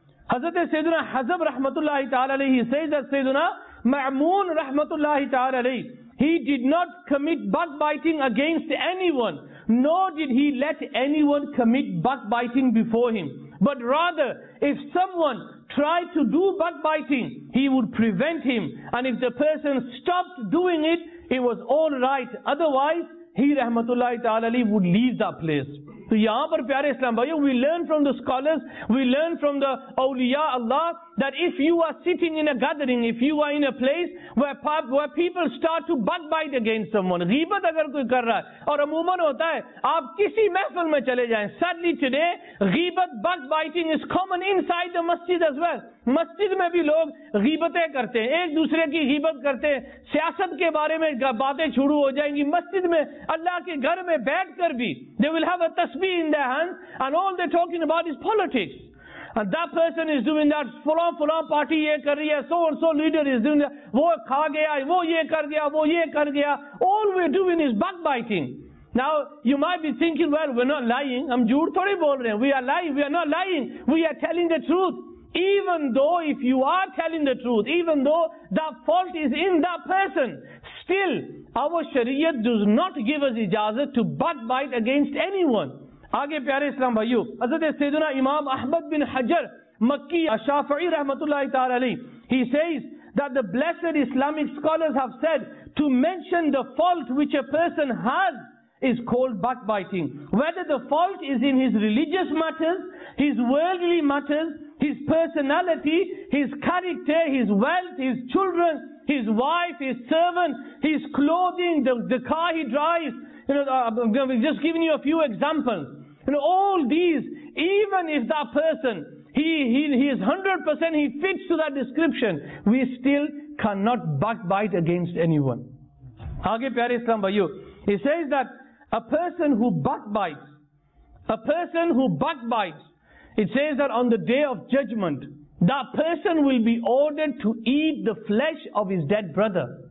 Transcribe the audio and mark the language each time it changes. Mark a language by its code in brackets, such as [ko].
[en] حضرت سیدنا حزب رحمۃ اللہ تعالی علیہ سید سیدنا معمون رحمۃ اللہ تعالی علیہ he did not commit backbiting against anyone, nor did he let anyone commit backbiting before him, but rather if someone tried to do backbiting he would prevent him, and if the person stopped doing it it was all right, otherwise he رحمۃ اللہ تعالی علیہ would leave that place. [hi] तो यहां पर प्यारे इस्लाम भाइयों, [en] we learn from the scholars, we learn from the औलिया अल्लाह, that if you are sitting in a gathering, if you are in a place where people start to backbite against someone, [hi] गीबत अगर कोई कर रहा है, और अमूमन होता है आप किसी महफिल में चले जाएं, [en] sadly today गीबत backbiting is common inside the मस्जिद as well, [hi] मस्जिद में भी लोग गीबतें करते हैं, एक दूसरे की गीबत करते हैं, सियासत के बारे में बातें शुरू हो जाएंगी, मस्जिद में अल्लाह के घर में बैठ कर भी [en] they will have a तस्बीह in their hand and all they talking about is politics, and that person is doing that, [hi] fulan party ye kar rahi hai, [en] so and so leader is doing that, [hi] wo kha gaya, wo ye kar gaya, [en] wo ye kar gaya, all we're doing is backbiting. Now you might be thinking, well we're not lying, [hi] hum jhoot thodi bol rahe hain, [en] we are not lying, we are telling the truth. Even though if you are telling the truth, even though that fault is in that person, still our sharia does not give us ijazat to backbite against anyone. [hi] आगे प्यारे इस्लाम भाइयों, [en] हजरत सैयदना इमाम अहमद बिन हजर मक्की अशाफई रहमतुल्लाहि तआला अलैह, he says that the blessed Islamic scholars have said to mention the fault which a person has is called backbiting, whether the fault is in his religious matters, his worldly matters, his personality, his character, his wealth, his children, his wife, his servant, his clothing, the car he drives, you know, I'm just giving you a few examples, you know, all these, even if that person he is 100%, he fits to that description. We still cannot backbite against anyone. [hi] Aage pyare Islam bhaiyo, [en] he says that a person who backbites, it says that on the day of judgment, that person will be ordered to eat the flesh of his dead brother.